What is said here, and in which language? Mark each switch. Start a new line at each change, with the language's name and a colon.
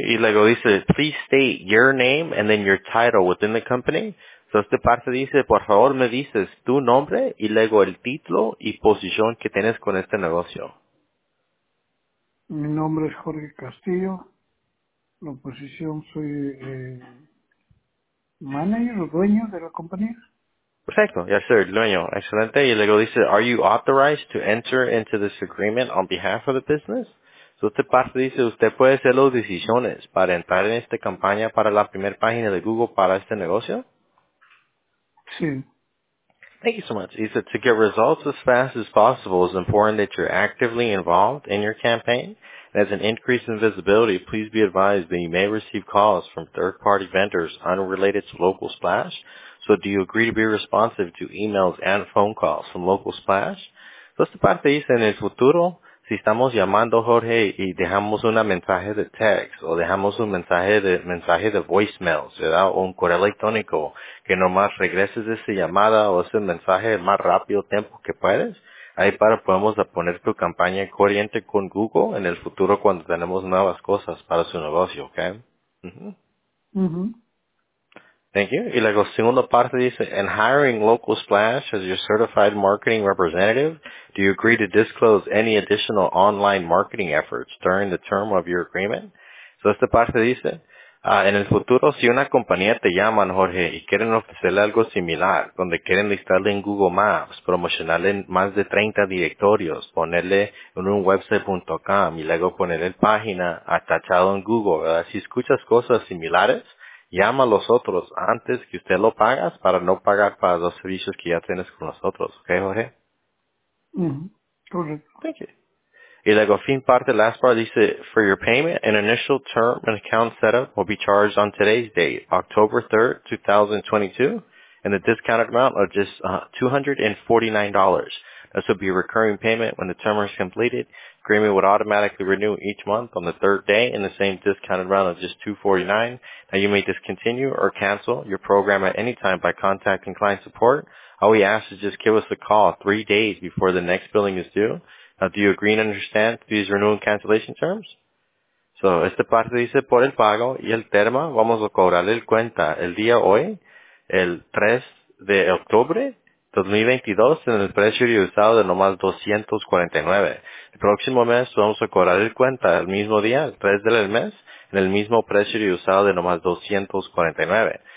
Spanish: Y luego dice,
English: please state your name and then your title within the company.
Spanish: So, esta parte dice, por favor, me dices tu nombre y luego el título y posición que tienes con este negocio. Mi nombre es Jorge Castillo. La posición soy manager, dueño de la compañía. Perfecto.
English: Yes, sir.
Spanish: Dueño. Excelente. Y luego dice,
English: are you authorized to enter into this agreement on behalf of the business?
Spanish: So, esta parte dice, usted puede hacer las decisiones para entrar en esta campaña para la primera página de Google para este negocio. Sí.
English: Thank you so much. He said, to get results as fast as possible, it's important that you're actively involved in your campaign. As an increase in visibility, please be advised that you may receive calls from third-party vendors unrelated to Local Splash. So do you agree to be responsive to emails and phone calls from Local Splash?
Spanish: So esta parte dice, en el futuro, si estamos llamando Jorge y dejamos un mensaje de text o dejamos un mensaje de voicemail, ¿verdad? O un correo electrónico, que nomás regreses esa llamada o ese mensaje el más rápido tiempo que puedes, ahí para podemos poner tu campaña corriente con Google en el futuro cuando tenemos nuevas cosas para su negocio, ¿ok?
English: Thank you.
Spanish: Y luego, segunda parte dice,
English: in hiring Local Splash as your certified marketing representative, do you agree to disclose any additional online marketing efforts during the term of your agreement?
Spanish: So esta parte dice, en el futuro, si una compañía te llama, Jorge, y quieren ofrecerle algo similar, donde quieren listarle en Google Maps, promocionarle en más de 30 directorios, ponerle en un website.com y luego ponerle página atachado en Google, ¿verdad? Si escuchas cosas similares, llama a los otros antes que usted lo pagas para no pagar para los servicios que ya tienes con nosotros. ¿Ok, Jorge? Correcto. Y luego, fin parte,
English: last part, dice, for your payment, an initial term and account setup will be charged on today's date, October 3rd, 2022, and the discounted amount of just $249. This will be a recurring payment when the term is completed. Agreement would automatically renew each month on the third day in the same discounted round of just $249. Now you may discontinue or cancel your program at any time by contacting client support. All we ask is just give us a call 3 days before the next billing is due. Now do you agree and understand these renewal and cancellation terms?
Spanish: So esta parte dice por el pago y el termo vamos a cobrarle el cuenta el día hoy, el 3 de octubre 2022 en el precio de usado de nomás $249. El próximo mes vamos a cobrar el cuenta el mismo día, el 3 del mes, en el mismo precio y usado de nomás $249.